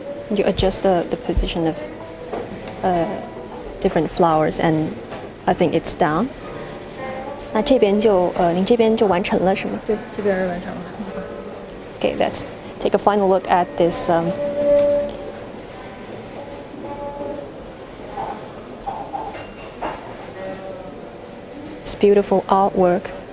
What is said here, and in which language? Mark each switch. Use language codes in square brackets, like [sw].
[en] You adjust the position of different flowers, and I think it's done. [zh] 那这边就您这边就完成了是吗？对，这边完成了。 [en] Okay, let's take a final look at this. It's beautiful artwork.